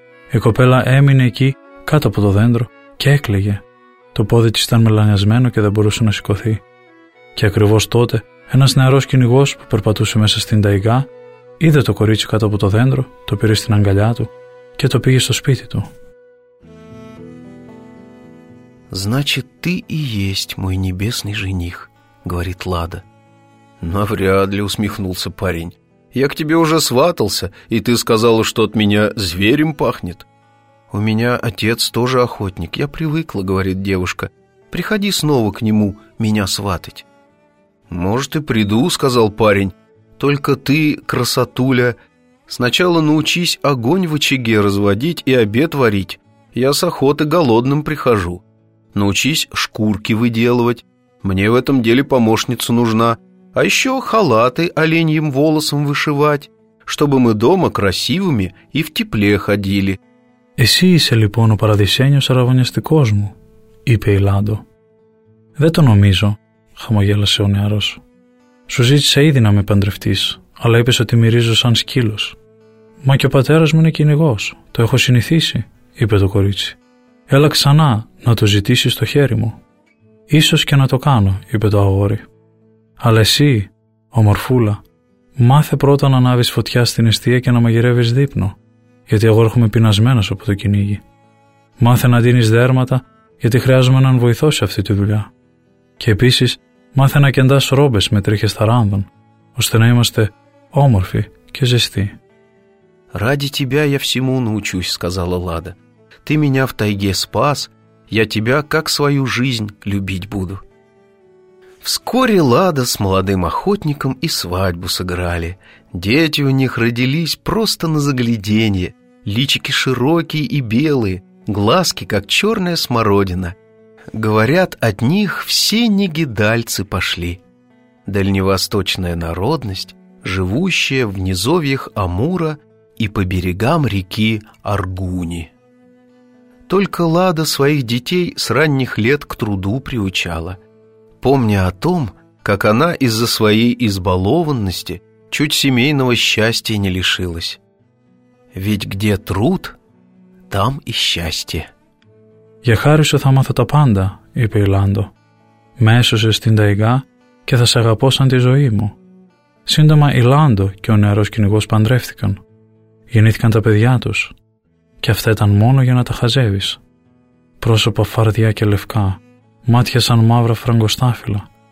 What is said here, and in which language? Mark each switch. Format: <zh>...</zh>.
<el>Η κοπέλα έμεινε εκεί κάτω από το δέντρο και έκλαιγε. Το πόδι της ήταν μελανιασμένο και δεν μπορούσε να σηκωθεί. Και ακριβώς τότε ένας νεαρός κυνηγός που περπατούσε μέσα στην ταϊγά είδε το κορίτσι κάτω από το δέντρο, το πήρε στην αγκαλιά του και το πήγε στο σπίτι του.</el> <ru>«Значит, ты и есть мой небесный жених», — говорит Лада. «Навряд ли», — усмехнулся парень. «Я к тебе уже сватался, и ты сказала, что от меня зверем пахнет». «У меня отец тоже охотник, я привыкла», — говорит девушка. «Приходи снова к нему меня сватать». «Может, и приду», — сказал парень. «Только ты, красотуля, сначала научись огонь в очаге разводить и обед варить. Я с охоты голодным прихожу. Научись шкурки выделывать. Мне в этом деле помощница нужна. А еще халаты оленьим волосом вышивать, чтобы мы дома красивыми и в тепле ходили».</ru> <el>«Εσύ είσαι λοιπόν ο παραδεισένιος αραβωνιαστικός μου», είπε η Λάντο. «Δεν το νομίζω», χαμογέλασε ο νεαρός. «Σου ζήτησα ήδη να με παντρευτείς, αλλά είπες ότι μυρίζω σαν σκύλος». «Μα και ο πατέρας μου είναι κυνηγός, το έχω συνηθίσει», είπε το κορίτσι. «Έλα ξανά να το ζητήσεις στο χέρι μου». «Ίσως και να το κάνω», είπε το αγόρι. «Αλλά εσύ, ομορφούλα, μάθε πρώτα να ανάβεις φωτιά στην εστία και να μαγειρεύεις δείπνο, γιατί εγώ έρχομαι πεινασμένος από το κυνήγι. Μάθε να ντύνεις δέρματα, γιατί χρειάζομαι έναν βοηθό σε αυτή τη δουλειά. Και επίσης, μάθε να κεντάς ρόμπες με τρίχες θαράνδων, ώστε να είμαστε όμορφοι και ζεστοί».</el> <ru>«Ради тебя я всему научусь», сказала Лада. «Ты меня в тайге спас, я тебя как свою жизнь любить буду». Вскоре Лада с молодым охотником и свадьбу сыграли. Дети у них родились просто на загляденье. Личики широкие и белые, глазки, как черная смородина. Говорят, от них все негидальцы пошли. Дальневосточная народность, живущая в низовьях Амура и по берегам реки Аргуни. Только Лада своих детей с ранних лет к труду приучала, помня о том, как она из-за своей избалованности чуть семейного счастья не лишилась. Ведь где труд, там и счастье.</ru> <el>«Я хари сю θα мάθω τα πάντα», είπε η Λάντο. «Με έσωσε στην ταϊγά και θα σε αγαπώ σαν τη ζωή μου». Σύντομα η Λάντο και ο νεαρός κυνηγός παντρεύτηκαν. Γεννήθηκαν τα παιδιά τους. Και αυτά ήταν μόνο για να τα χαζεύεις. Πρόσωπα φαρδιά και λευκά, μάτια σαν μαύρα φραγκοστάφυλλα.</el>